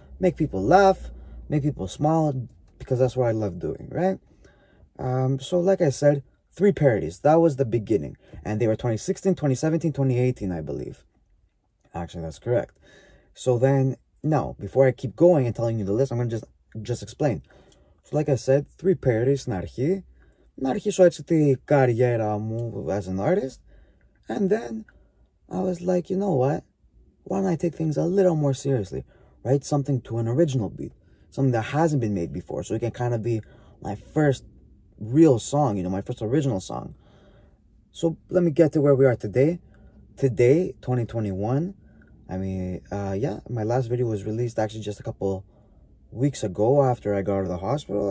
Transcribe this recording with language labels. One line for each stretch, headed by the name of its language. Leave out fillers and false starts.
English: Make people laugh, make people smile, because that's what I love doing, right? So like I said, three parodies. That was the beginning. And they were 2016, 2017, 2018, I believe. Actually, that's correct. So then, now, before I keep going and telling you the list, I'm going to just explain. So like I said, three parodies
Greek: στην αρχή. Να αρχίσω έτσι την καριέρα μου
English: as an artist. And then I was like, you know what? Why don't I take things a little more seriously? Write something to an original beat. Something that hasn't been made before. So it can kind of be my first real song, you know, my first original song. So let me get to where we are today. Today, 2021. I mean, my last video was released actually just a couple weeks ago after I got out of the hospital.